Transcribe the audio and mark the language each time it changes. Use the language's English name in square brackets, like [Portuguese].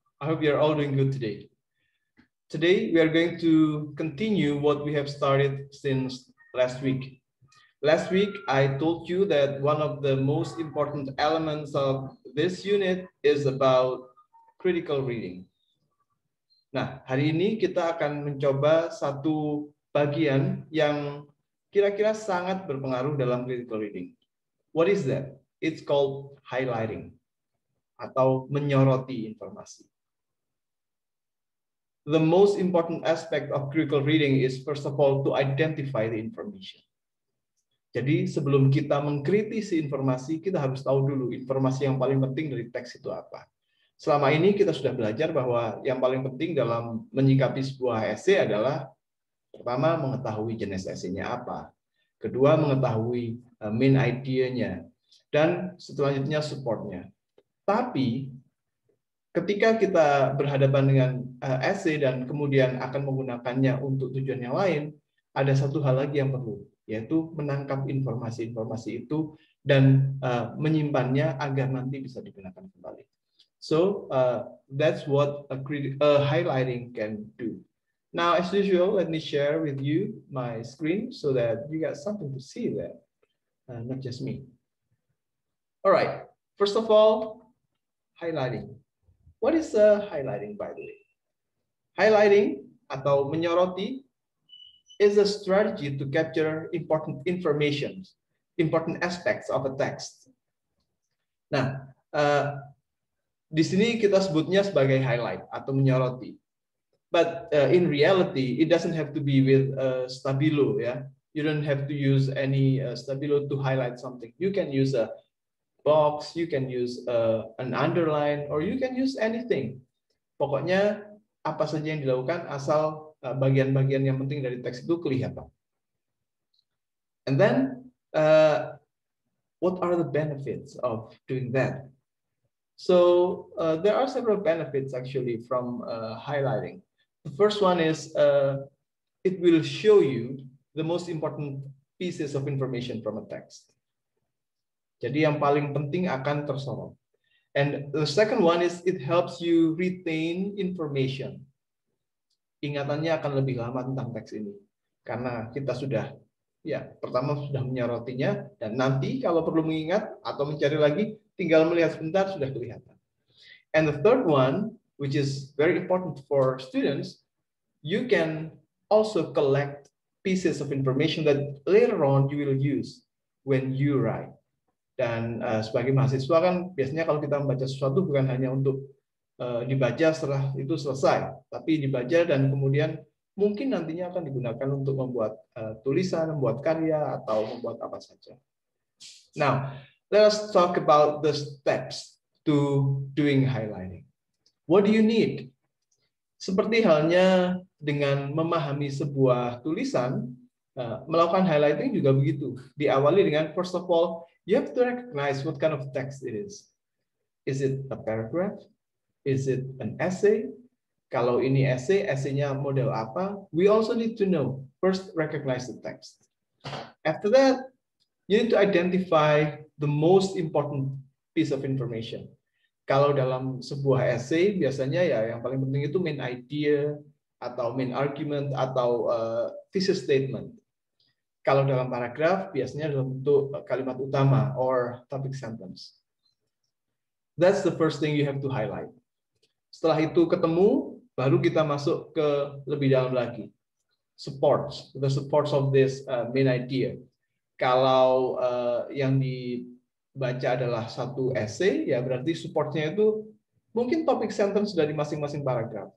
[English] I hope you are all doing good today. Today we are going to continue what we have started since last week. Last week I told you that one of the most important elements of this unit is about critical reading. [Indonesian] Nah, hari ini kita akan mencoba satu bagian yang kira-kira sangat berpengaruh dalam critical reading. [English] What is that? It's called highlighting. [Indonesian] Atau menyoroti informasi. [English] The most important aspect of critical reading is first of all to identify the information. [Indonesian] Jadi sebelum kita mengkritisi informasi, kita harus tahu dulu informasi yang paling penting dari teks itu apa. Selama ini kita sudah belajar bahwa yang paling penting dalam menyikapi sebuah esai adalah pertama mengetahui jenis esainya apa, kedua mengetahui main idenya, dan selanjutnya supportnya. Tapi ketika kita berhadapan dengan essay dan kemudian akan menggunakannya untuk tujuan yang lain, ada satu hal lagi yang perlu, yaitu menangkap informasi-informasi itu dan menyimpannya agar nanti bisa digunakan kembali. [English] So that's what a highlighting can do. Now as usual, let me share with you my screen so that you got something to see there, not just me. Alright, first of all, highlighting. What is a highlighting, by the way? Highlighting [Indonesian] atau menyoroti [English] is a strategy to capture important information, important aspects of a text. [Indonesian] Nah, di sini kita sebutnya sebagai highlight atau menyoroti. [English] But in reality, it doesn't have to be with stabilo, yeah. You don't have to use any stabilo to highlight something. You can use a box, you can use an underline, or you can use anything. [Indonesian] Pokoknya apa saja yang dilakukan asal bagian-bagian yang penting dari teks itu kelihatan. [English] And then, what are the benefits of doing that? So there are several benefits actually from highlighting. The first one is it will show you the most important pieces of information from a text. [Indonesian] Jadi yang paling penting akan tersorot. [English] And the second one is it helps you retain information. [Indonesian] Ingatannya akan lebih lama tentang teks ini. Karena kita sudah, ya, pertama sudah menyorotinya, dan nanti kalau perlu mengingat atau mencari lagi, tinggal melihat sebentar, sudah kelihatan. [English] And the third one, which is very important for students, you can also collect pieces of information that later on you will use when you write. [Indonesian] Dan sebagai mahasiswa kan biasanya kalau kita membaca sesuatu bukan hanya untuk dibaca setelah itu selesai, tapi dibaca dan kemudian mungkin nantinya akan digunakan untuk membuat tulisan, membuat karya, atau membuat apa saja. [English] Now, let us talk about the steps to doing highlighting. What do you need? [Indonesian] Seperti halnya dengan memahami sebuah tulisan, melakukan highlighting juga begitu. Diawali dengan [English] first of all, you have to recognize what kind of text it is. Is it a paragraph? Is it an essay? [Indonesian] Kalau ini essay, essay-nya model apa? [English] We also need to know. First, recognize the text. After that, you need to identify the most important piece of information. [Indonesian] Kalau dalam sebuah essay, biasanya ya yang paling penting itu main idea, atau main argument, atau thesis statement. Kalau dalam paragraf, biasanya dalam bentuk kalimat utama [English] or topic sentence. That's the first thing you have to highlight. [Indonesian] Setelah itu ketemu, baru kita masuk ke lebih dalam lagi. [English] Supports, the supports of this main idea. [Indonesian] Kalau yang dibaca adalah satu essay, ya berarti supportnya itu mungkin topic sentence dari masing-masing paragraf.